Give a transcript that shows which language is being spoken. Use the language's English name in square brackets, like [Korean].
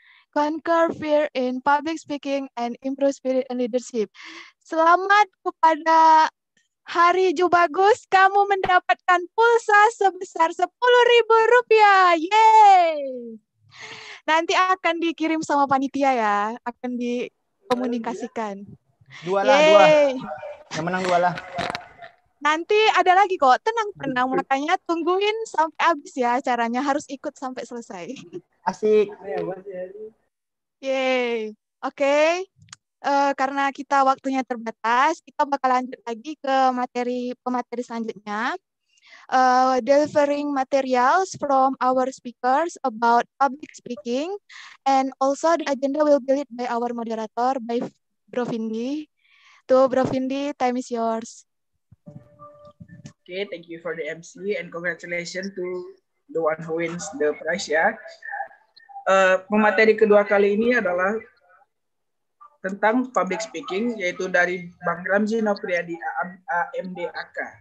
[English] Conquer fear in public speaking and improve spirit and leadership. [Indonesian] Selamat kepada Hari Jubagus. Kamu mendapatkan pulsa sebesar Rp10.000. Yeay! Nanti akan dikirim sama panitia ya, akan dikomunikasikan. Dua lah, Yeay. Dua. Yang menang dua lah. Nanti ada lagi kok, tenang-tenang. Makanya tungguin sampai habis ya acaranya, harus ikut sampai selesai. Asik. Yeay. Oke, karena kita waktunya terbatas, kita bakal lanjut lagi ke materi selanjutnya. [English] Delivering materials from our speakers about public speaking, and also the agenda will be led by our moderator, by Bro Findi. To Bro Findi, time is yours. Okay, thank you for the MC and congratulations to the one who wins the prize ya. [Indonesian] Pemateri kedua kali ini adalah tentang public speaking, yaitu dari Bang Ramzi Nopriyadi AMDAK.